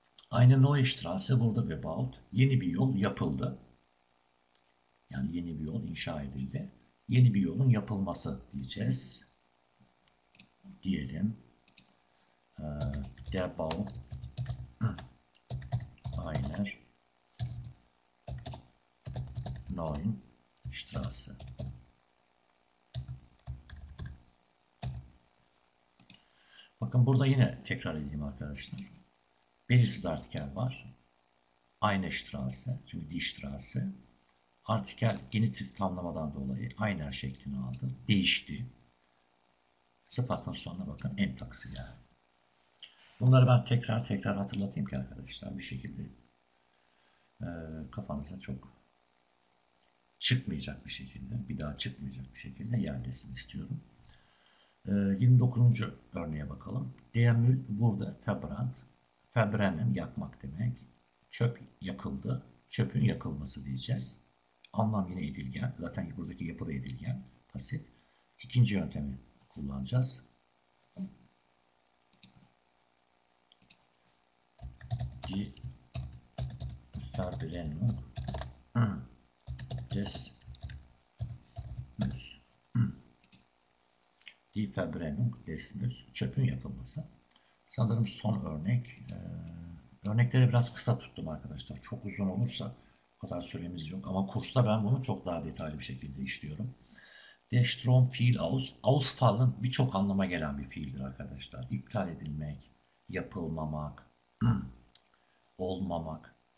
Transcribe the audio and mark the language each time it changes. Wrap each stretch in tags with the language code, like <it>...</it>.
<de>Eine neue Straße wurde gebaut.</de> <tr>Yeni bir yol yapıldı. Yani yeni bir yol inşa edildi. Yeni bir yolun yapılması diyeceğiz. Diyelim. Der Bau.</tr> <de>Einer neuen Straße.</de> <tr>Bakın burada yine tekrar edeyim arkadaşlar. Belirsiz artikel var.</tr> <de>Eine Straße, çünkü die Straße.</de> <tr>Artikel genitif tamlamadan dolayı aynı şeklini aldı. Değişti. Sıfatın sonuna bakın. Entaxe geldi. Bunları ben tekrar tekrar hatırlatayım ki arkadaşlar bir şekilde kafanıza çok çıkmayacak bir şekilde, bir daha çıkmayacak bir şekilde yerleşsin istiyorum. 29. örneğe bakalım.</tr> <de>Der Müll wurde verbrannt.</de> <tr>Verbrennen yakmak demek. Çöp yakıldı. Çöpün yakılması diyeceğiz. Anlam yine edilgen. Zaten buradaki yapı da edilgen. Pasif. İkinci yöntemi kullanacağız.</tr> <de>Die Verbrennung des Mülls. Die Verbrennung des Mülls.</de> <tr>Çöpün yakılması. Sanırım son örnek. Örnekleri biraz kısa tuttum arkadaşlar. Çok uzun olursa o kadar süremiz yok. Ama kursta ben bunu çok daha detaylı bir şekilde işliyorum.</tr> <de>Der Strom fiel aus.</de> <tr>Ausfallen birçok anlama gelen bir fiildir arkadaşlar. İptal edilmek, yapılmamak, olmamak.</tr>